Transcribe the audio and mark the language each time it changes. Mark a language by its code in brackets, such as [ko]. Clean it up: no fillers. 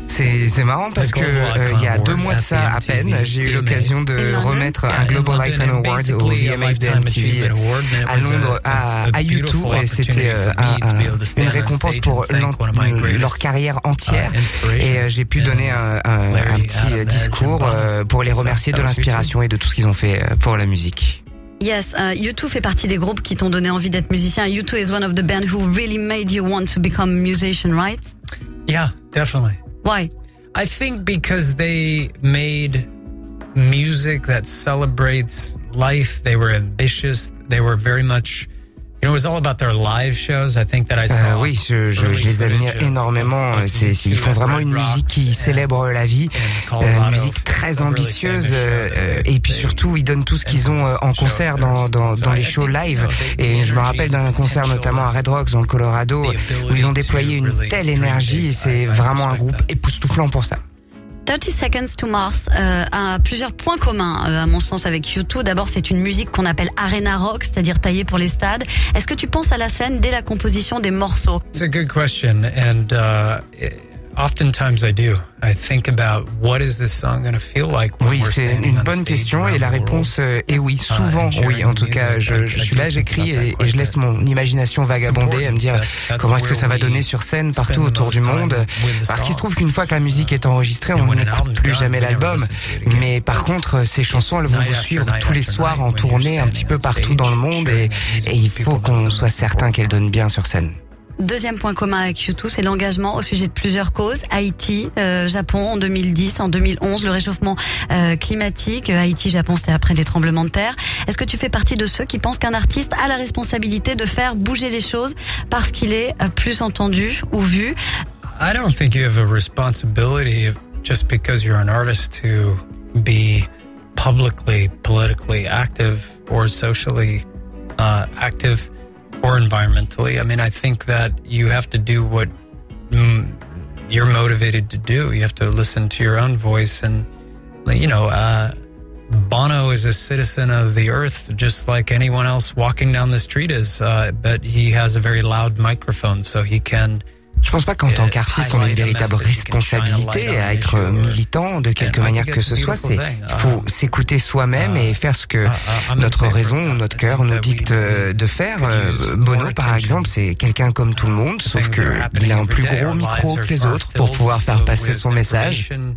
[fr] C'est marrant parce que il y a deux mois de ça à peine, j'ai eu l'occasion de remettre un Global Icon Award au VMAs de MTV à Londres à YouTube, et c'était une récompense pour leur carrière entière. Et j'ai pu donner un petit discours pour les remercier de l'inspiration et de tout ce qu'ils ont fait pour la musique. Yes, U2 fait partie des groupes qui t'ont donné envie d'être musicien. [en] U2 is one of the bands who really made you want to become a musician, right? Yeah, definitely. Why? I think because they made music that celebrates life. They were ambitious. They were very much... You know, it was all about their live shows. I think that I saw. [fr] Oui, je les admire énormément. Ils font vraiment une musique qui célèbre la vie, une musique très ambitieuse. Et puis surtout, ils donnent tout ce qu'ils ont en concert dans les shows live. Et je me rappelle d'un concert notamment à Red Rocks dans le Colorado où ils ont déployé une telle énergie. C'est vraiment un groupe époustouflant pour ça. 30 Seconds to Mars a plusieurs points communs, à mon sens, avec U2. D'abord, c'est une musique qu'on appelle arena rock, c'est-à-dire taillée pour les stades. Est-ce que tu penses à la scène dès la composition des morceaux? [en] It's a good question, and oftentimes I do. [fr] Oui, c'est une bonne question et la réponse est oui, souvent oui. En tout cas, je suis là, j'écris et je laisse mon imagination vagabonder à me dire comment est-ce que ça va donner sur scène partout autour du monde. Parce qu'il se trouve qu'une fois que la musique est enregistrée, on n'écoute plus jamais l'album. Mais par contre, ces chansons, elles vont vous suivre tous les soirs en tournée un petit peu partout dans le monde et il faut qu'on soit certain qu'elles donnent bien sur scène. Deuxième point commun avec U2, c'est l'engagement au sujet de plusieurs causes. Haïti, Japon en 2010, en 2011, le réchauffement climatique. Haïti, Japon, c'était après les tremblements de terre. Est-ce que tu fais partie de ceux qui pensent qu'un artiste a la responsabilité de faire bouger les choses parce qu'il est plus entendu ou vu? [en] I don't think you have a responsibility just because you're an artist to be publicly, politically active or socially active. Or environmentally. I mean, I think that you have to do what you're motivated to do. You have to listen to your own voice. And, you know, Bono is a citizen of the earth, just like anyone else walking down the street is. But he has a very loud microphone, so he can... [fr] Je pense pas qu'en tant qu'artiste, on a une véritable responsabilité à être militant de quelque manière que ce soit. C'est, il faut s'écouter soi-même et faire ce que notre raison, notre cœur nous dicte de faire. Bono, par exemple, c'est quelqu'un comme tout le monde, sauf qu'il a un plus gros micro que les autres pour pouvoir faire passer son message.